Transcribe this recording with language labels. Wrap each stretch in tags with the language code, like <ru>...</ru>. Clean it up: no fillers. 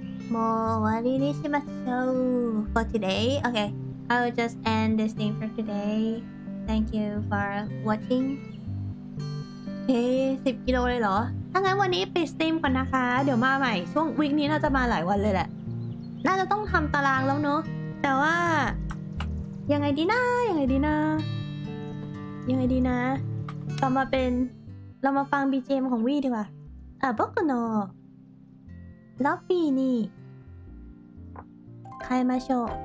<ja>もう終わりにしましょう</ja> <en>for today. Okay, I will just end this thing for today. Thank you for watching.</en> <th>Hey, 10กิโลเลยเหรอถ้างั้นวันนี้ปิดสตรีมก่อนนะคะเดี๋ยวมาใหม่ช่วงวีคนี้น่าจะมาหลายวันเลยแหละน่าจะต้องทำตารางแล้วเนาะแต่ว่า ยังไงดีนะเรามาฟัง BGM ของวีดีกว่าบอกกันเนาะล็อบบี้นี่</th> <ja>変えましょう</ja>